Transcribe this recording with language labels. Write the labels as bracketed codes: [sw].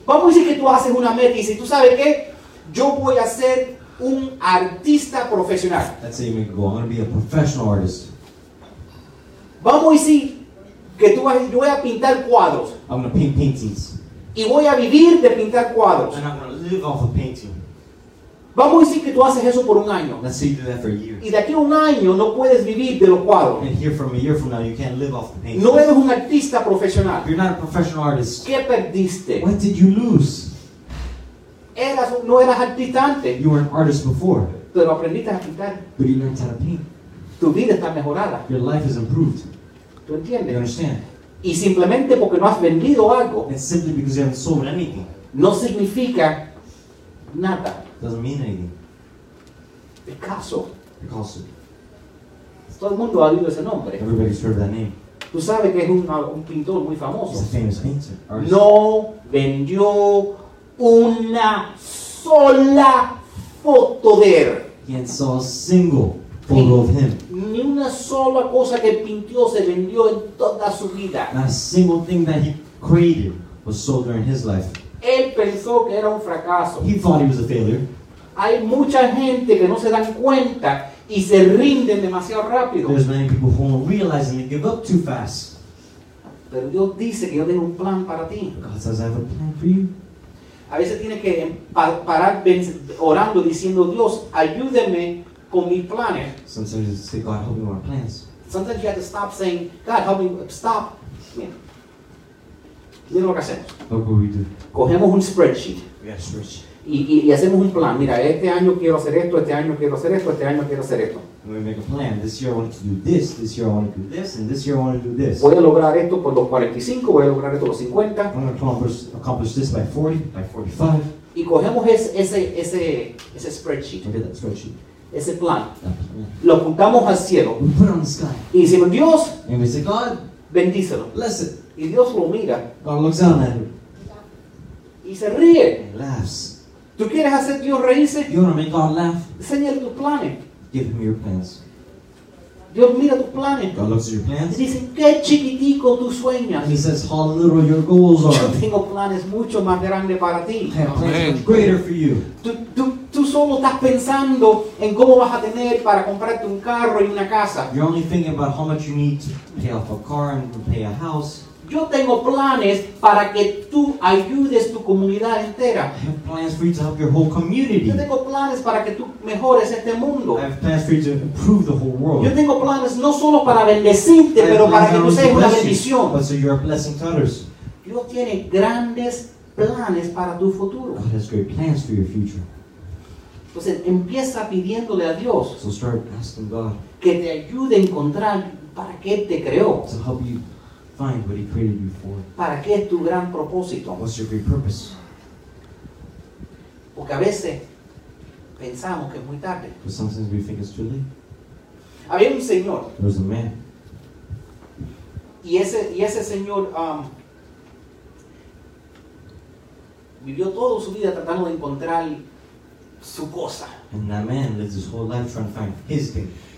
[es] Vamos a decir que tú haces una meta y si tú sabes qué, yo voy a ser un artista profesional. [en] Let's say you make a goal. I'm going to be a professional artist. [es] Vamos a decir que tú vas, yo voy a pintar cuadros. [en] I'm going to paint paintings. [es] Y voy a vivir de pintar cuadros. [en] And I'm going to live off of painting. [es] Vamos a decir que tú haces eso por un año. [en] Let's say you do that for a year. [es] Y de aquí a un año no puedes vivir de los cuadros. [en] And here from a year from now you can't live off the painting. [es] No eres un artista profesional. [en] You're not a professional artist. [es] ¿Qué perdiste? [en] What did you lose? [es] No eras artista antes. [en] You were an artist before. [es] Pero aprendiste a pintar. [en] But you learned how to paint. [es] Tu vida está mejorada. [en] Your life is improved. [es] ¿Tú entiendes? [en] You understand? [es] Y simplemente porque no has vendido algo. [en] And simply because you haven't sold anything. [es] No significa nada. [en] Doesn't mean anything. [es] Picasso. [en] Picasso. [es] Todo el mundo ha oído ese nombre. [en] Everybody's heard that name. [es] Tú sabes que es un pintor muy famoso. [en] He's a famous painter. Artist. [es] No vendió una sola foto de él. [en] He hadn't sold a single photo of him. [es] Ni una sola cosa que pintó se vendió en toda su vida. [en] Not a single thing that he created. was sold during his life. [es] Él pensó que era un fracaso. [en] He thought he was a failure. [es] Hay mucha gente que no se dan cuenta y se rinden demasiado rápido. [en] There's many people who don't realize and give up too fast. [es] Pero Dios dice que yo tengo un plan para ti. [en] God says I have a plan for you. [es] A veces tienes que parar orando diciendo, Dios, ayúdeme con mis planes. [en] Sometimes you say, God, help me with my plans. Sometimes you have to stop saying, God, help me, stop. [es] Mira lo que hacemos. [en] Look what we do. [es] Cogemos un spreadsheet. [en] Yes, Rich. [es] Y hacemos un plan. Mira, este año quiero hacer esto, este año quiero hacer esto, este año quiero hacer esto. [en] And we make a plan. This year I want to do this, this year I want to do this, and this year I want to do this. [es] Voy a lograr esto por los 45, voy a lograr esto por los 50. [en] I'm going to accomplish this by 40, by 45. [es] Y cogemos ese spreadsheet. [en] Look at that spreadsheet. [es] Ese plan. Lo apuntamos al cielo. [en] We put it on the sky. [es] Y decimos, Dios. [en] And we say, God. [es] Bendícelo. [en] Bless it. [es] Y Dios lo mira. [en] God looks down at him. [es] Y se ríe. [en] And laughs. [es] ¿Tú quieres hacer Dios reírse? [en] You want to make God laugh? [es] Señale tus planes. [en] Give him your plans. [es] Dios mira tus planes. [en] God looks at your plans. [es] Y dice, qué chiquitico tus sueños. [en] And he says, how little your goals are. [es] Yo tengo planes mucho más grandes para ti. [en] I have plans much greater for you. [es] Tú solo estás pensando en cómo vas a tener para comprarte un carro y una casa. [en] You're only thinking about how much you need to pay off a car and to pay a house. [es] Yo tengo planes para que tú ayudes tu comunidad entera. [en] I have plans for you to help your whole community. [es] Yo tengo planes para que tú mejores este mundo. [en] I have plans for you to improve the whole world. [es] Yo tengo planes no solo para bendecirte, pero para que tú seas una bendición. [en] But so you're a blessing to others. [es] Dios tiene grandes planes para tu futuro. [en] God has great plans for your future. [es] Entonces empieza pidiéndole a Dios. [en] So start asking God. [es] Que te ayude a encontrar para qué te creó. [en] To help you find what he created you for. [es] ¿Para qué es tu gran propósito? [en] What's your great purpose? [es] Porque a veces pensamos que es muy tarde. [en] But sometimes we think it's too late. [es] Había un señor. [en] There was a man. [es] Y ese señor vivió toda su vida tratando de encontrar su cosa. [en] And that man lived his whole life trying to find his thing.